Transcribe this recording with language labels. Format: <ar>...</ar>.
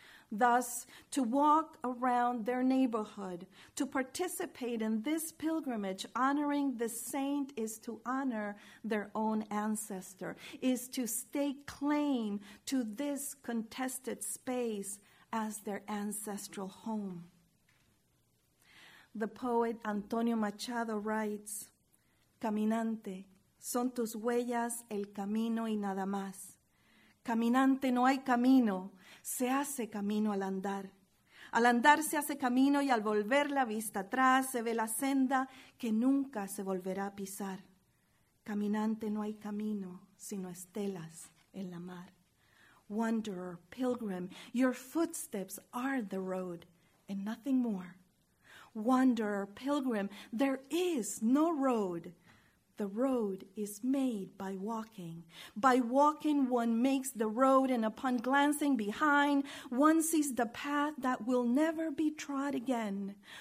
<en>Thus, to walk around their neighborhood, to participate in this pilgrimage honoring the saint is to honor their own ancestor, is to stake claim to this contested space as their ancestral home. The poet Antonio Machado writes,</en> <es>"Caminante, son tus huellas el camino y nada más. Caminante, no hay camino, se hace camino al andar. Al andar se hace camino y al volver la vista atrás se ve la senda que nunca se volverá a pisar. Caminante, no hay camino, sino estelas en la mar.</es> <en>Wanderer, pilgrim, your footsteps are the road and nothing more. Wanderer, pilgrim, there is no road. The road is made by walking. By walking, one makes the road, and upon glancing behind, one sees the path that will never be trod again.</en>